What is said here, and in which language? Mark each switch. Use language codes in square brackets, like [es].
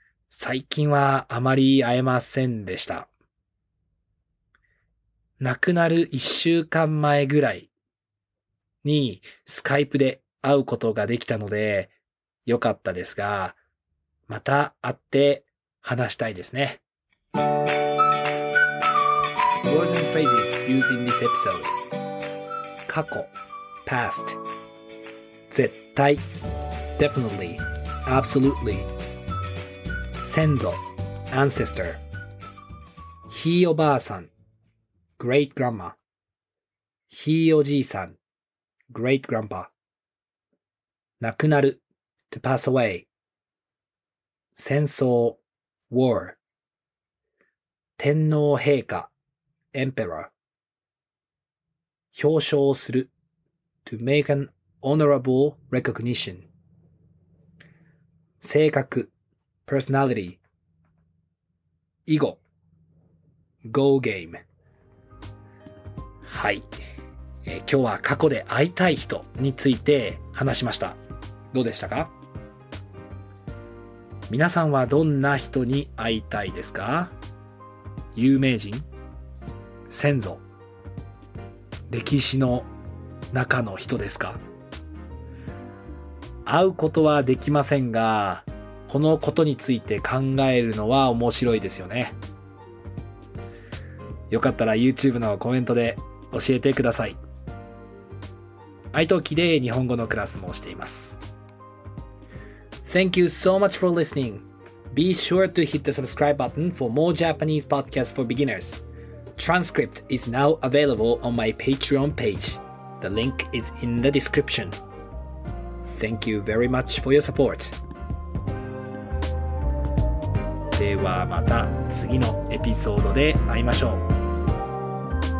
[ja] 最近はあまり会えませんでした。亡くなる1週間前ぐらいにスカイプで会うことができたのでよかったですが、また会って話したいですね。 [en] Words and phrases used in this episode: 過去 past 絶対 definitely absolutely 先祖 ancestor ひいおばあさんGreat grandma. ひいおじいさん Great grandpa. 亡くなる To pass away. 戦争 War. 天皇陛下 Emperor. 表彰する To make an honorable recognition. 性格 Personality. 囲碁 Go game. [ja] はい、今日は過去で会いたい人について話しました。どうでしたか？皆さんはどんな人に会いたいですか？有名人、先祖、歴史の中の人ですか？会うことはできませんが、このことについて考えるのは面白いですよね。よかったら YouTube のコメントで教えてください。iTalkiで日本語のクラスもしています。 [en] Thank you so much for listening. Be sure to hit the subscribe button for more Japanese podcasts for beginners. Transcript is now available on my Patreon page. The link is in the description. Thank you very much for your support. [ja] ではまた次のエピソードで会いましょう。